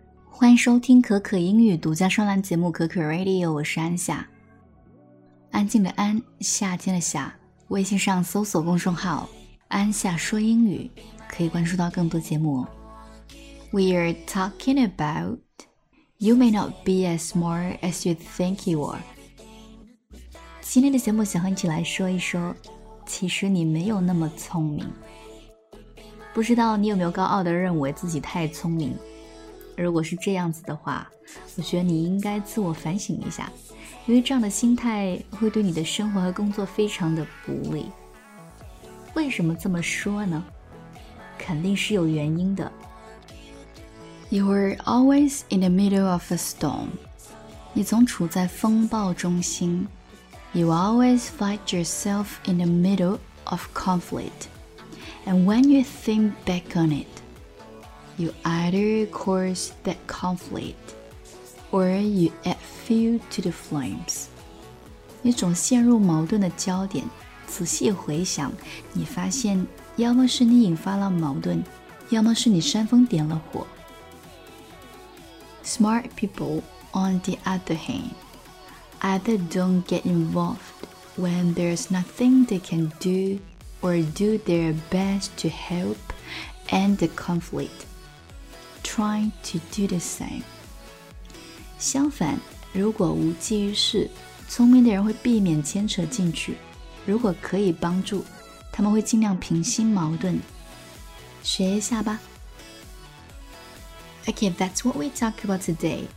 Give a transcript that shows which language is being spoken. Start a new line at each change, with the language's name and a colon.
Chinese: 欢迎收听可可英语独家专栏节目可可 Radio， 我是安夏。安静的安，夏天的夏，微信上搜索公众号安夏说英语，可以关注到更多节目。
English: We are talking about You may not be as smart as you think you are。
Chinese: 今天的节目想和你一起来说一说，其实你没有那么聪明。不知道你有没有高傲地认为自己太聪明，如果是这样子的话，我觉得你应该自我反省一下，因为这样的心态会对你的生活和工作非常的不利。为什么这么说呢？肯定是有原因的。
English: You are always in the middle of a storm，
Chinese: 你总处在风暴中心。
English: You always find yourself in the middle of conflict， And when you think back on itYou either cause that conflict, or you add fuel to the flames.
Chinese: 你总陷入矛盾的焦点，仔细回想，你发现要么是你引发了矛盾，要么是你煽风点了火。
English: Smart people, on the other hand, either don't get involved when there's nothing they can do, or do their best to help end the conflict. Trying to do the same.
Chinese: 相反，如果无济于事，聪明的人会避免牵扯进去。如果可以帮助，他们会尽量平息矛盾。学一下吧。
English: Okay, that's what we talk about today.